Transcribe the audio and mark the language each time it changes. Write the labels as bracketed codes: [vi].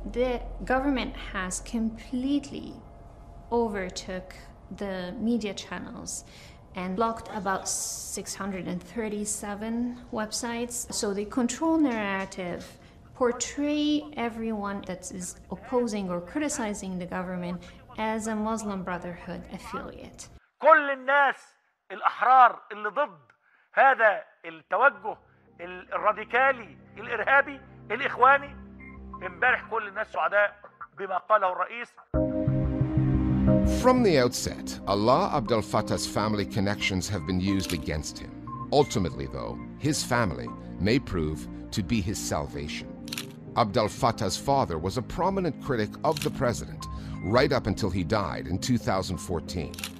[en] The government has completely overtook the media channels and blocked about 637 websites. So they control narrative, portray everyone that is opposing or criticizing the government as a Muslim Brotherhood affiliate. [ar] كل الناس الأحرار اللي ضد هذا التوجه الراديكالي الإرهابي الإخواني امبارح كل الناس سعداء بما قاله الرئيس. [en] From the outset, Alaa Abd el-Fattah's family connections have been used against him. Ultimately, though, his family may prove to be his salvation. Abd el-Fattah's father was a prominent critic of the president right up until he died in 2014.